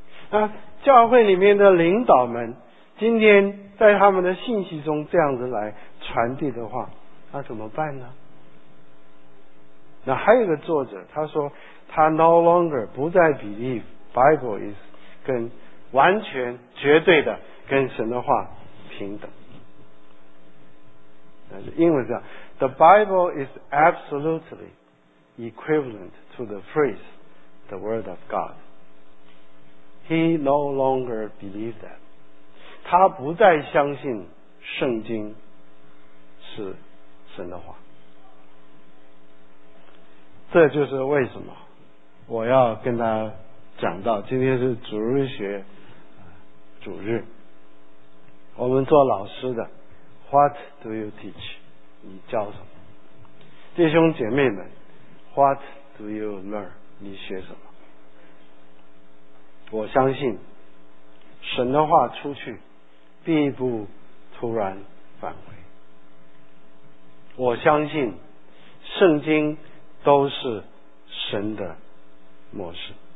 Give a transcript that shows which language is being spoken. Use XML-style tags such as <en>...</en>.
<zh>那教会里面的领导们今天在他们的信息中这样子来传递的话，那怎么办呢？那还有一个作者，他说他</zh> <en>no longer</en> <zh>不再</zh> <en>believe Bible is</en> <zh>跟完全绝对的跟神的话平等。英文是这样，</zh> <en>The Bible is absolutely equivalent to the phrase the word of God. He no longer believes that.</en> <zh>他不再相信圣经是神的话。这就是为什么我要跟他讲到今天是主日学主日，我们做老师的</zh> <en>What do you teach?</en> <zh>你教什么？弟兄姐妹们，</zh> <en>What do you learn?</en> <zh>你学什么？我相信神的话出去必不突然返回，我相信圣经都是神的模式。</zh>